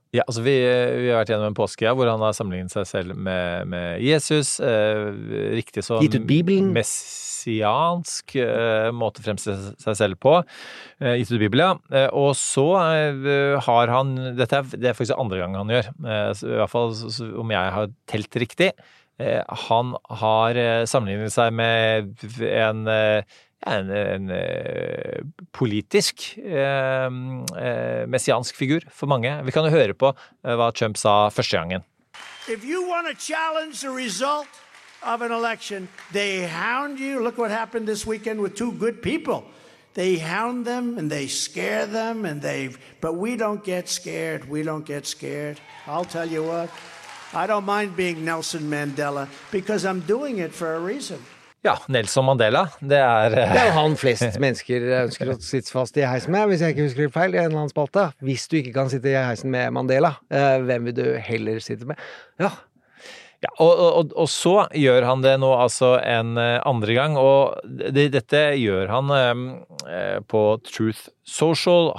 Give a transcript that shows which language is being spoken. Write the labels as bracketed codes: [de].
[no] Ja, altså vi har vært igjennom en påske ja, hvor han har sammenlignet seg selv med Jesus, riktig så messiansk måte å fremstille seg selv på, gitt ut Bibelen, og så har han, det faktisk andre gang han gjør, I hvert fall om jeg har telt riktig, han har sammenlignet seg med en politisk messiansk figur for mange. Vi kan jo høre på hva Trump sa første gangen. [en] If you want to challenge the result of an election, they hound you. Look what happened this weekend with two good people. They hound them and they scare them and but we don't get scared. We don't get scared. I'll tell you what. I don't mind being Nelson Mandela because I'm doing it for a reason. [no] Ja, Nelson Mandela, det Det jo han flest mennesker ønsker å sitte fast I heisen med, hvis jeg ikke husker feil, I en eller annen spalte. Hvis du ikke kan sitte I heisen med Mandela, hvem vil du heller sitte med? Ja. Ja, og så gjør han det nå altså en andre gang, og dette gjør han på Truth Social.